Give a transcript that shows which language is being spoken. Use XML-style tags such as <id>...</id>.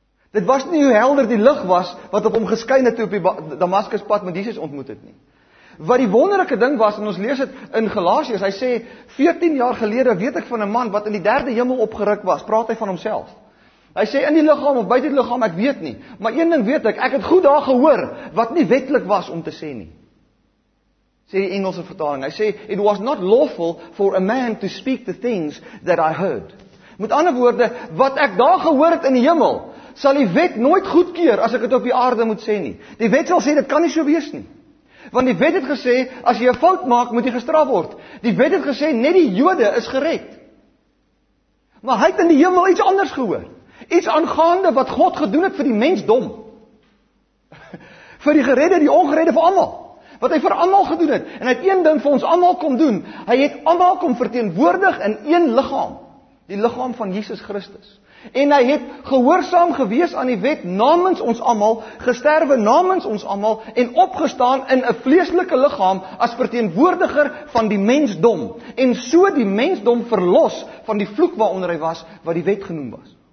<af>Dit was nie hoe helder die lig was, wat op hom geskyn het, toe op die Damaskuspad met Jesus ontmoet het nie. Wat die wonderlike ding was, en ons lees het in Galasiërs, hy sê, 14 jaar gelede weet ek van 'n man wat in die derde hemel opgeruk was, praat hy van homself. Hy sê, in die liggaam of buiten die liggaam, ek weet nie. Maar een ding weet ek het goed daar gehoor, wat nie wettelik was om te sê nie. Sê die Engelse vertaling, hy sê,</af> <en>it was not lawful for a man to speak the things that I heard.</en> <af>Met ander woorde, wat ek daar gehoor het in die hemel, sal die wet nooit goedkeur as ek het op die aarde moet sê nie. Die wet sal sê, dit kan nie so wees nie. Want die wet het gesê, as jy 'n fout maak, moet jy gestraf word. Die wet het gesê, net die jode is gered. Maar hy het in die hemel iets anders gehoor. Iets aangaande wat God gedoen het vir die mensdom. Vir die geredde, die ongeredde, vir allemaal. Wat hy vir allemaal gedoen het. En hy het een ding vir ons allemaal kom doen. Hy het allemaal kom verteenwoordig in een liggaam. Die liggaam van Jesus Christus. En hy het gehoorsaam gewees aan die wet namens ons allemaal, gesterwe namens ons allemaal, en opgestaan in 'n vleeslike liggaam as verteenwoordiger van die mensdom. En so die mensdom verlos van die vloek waaronder hy was, wat die wet genoem was.</af>